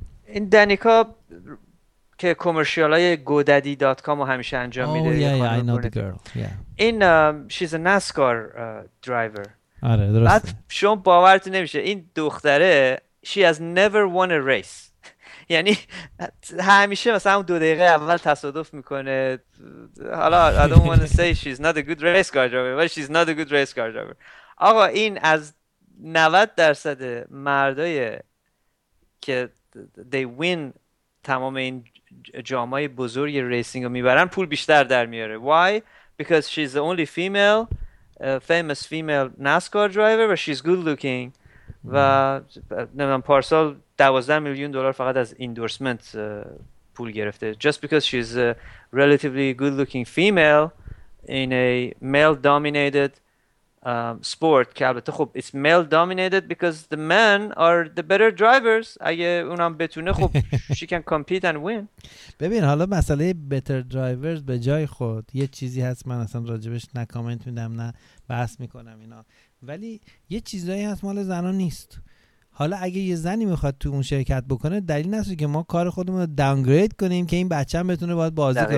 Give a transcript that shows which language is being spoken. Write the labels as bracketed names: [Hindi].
[Persian] این دانیکا که کمرشیال های گودادی دات کام رو همیشه انجام میده، این شیز نسکار درایور. آره درسته. بعد شما باورت نمیشه این دختره [English] she has never won a race، [Persian] یعنی همیشه مثلا دو دقیقه اول تصادف میکنه. حالا [English] I don't want to say she's not a good race car driver but she's not a good race car driver. [Persian] آقا این از 90% مردای که [English] they win [Persian] تمام این جامعه بزرگ ریسینگ رو میبرن پول بیشتر در میاره. [English] Why? Because she's the only female famous female NASCAR driver but she's good looking. [Persian] و نمیدونم پارسال 12 میلیون دلار فقط از اندورسمنت پول گرفته [English] just because she's a relatively good looking female in a male dominated sport. [Persian] که البته خب [English] it's male dominated because the men are the better drivers. [Persian] اگه اونم بتونه خب [English] she can compete and win. [Persian] ببین حالا مسئله [English] better drivers [Persian] به جای خود یه چیزی هست، من اصلا راجبش نه کامنت میدم نه بحث میکنم اینا، ولی یه چیزایی هست مال زنان نیست. حالا اگه یه زنی میخواد تو اون شرکت بکنه، دلیل نیست که ما کار خودمون رو داونگرید کنیم که این بچه‌ام بتونه باید بازی کنه.